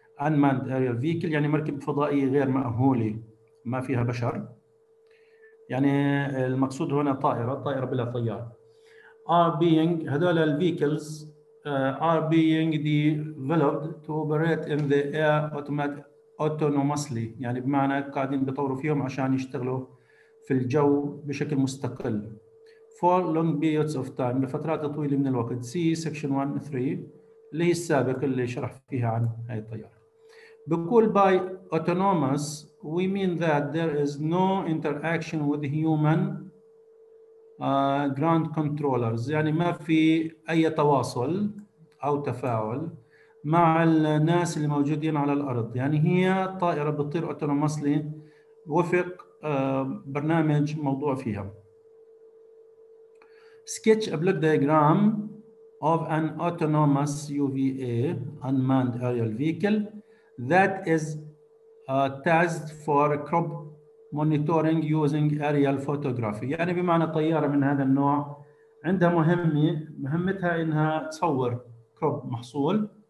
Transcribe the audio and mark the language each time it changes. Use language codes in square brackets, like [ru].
[en] unmanned aerial vehicle [ar] يعني مركب فضائي غير مأهولي ما فيها بشر، يعني المقصود هنا طائره بلا طيار. [en] are being [ar] هذول الفيكلز [en] are being developed to operate in the air autonomously، [ar] يعني بمعنى قاعدين بيطوروا فيهم عشان يشتغلوا في الجو بشكل مستقل. [en] for long periods of time [ar] لفترات طويله من الوقت. [en] see section 1.3 [ar] اللي هي السابق اللي شرح فيها عن هاي الطياره. بقول [en] by autonomous we mean that there is no interaction with human ground controllers، [ar] يعني ما في اي تواصل او تفاعل مع الناس اللي موجودين على الارض، يعني هي طائره بتطير اوتونوماسلي وفق برنامج موضوع فيها. [en] sketch a block diagram of an autonomous UVA unmanned aerial vehicle that is tasked for crop monitoring using aerial photography، [ar] يعني بمعنى طيارة من هذا النوع عندها مهمتها إنها تصور كروب محصول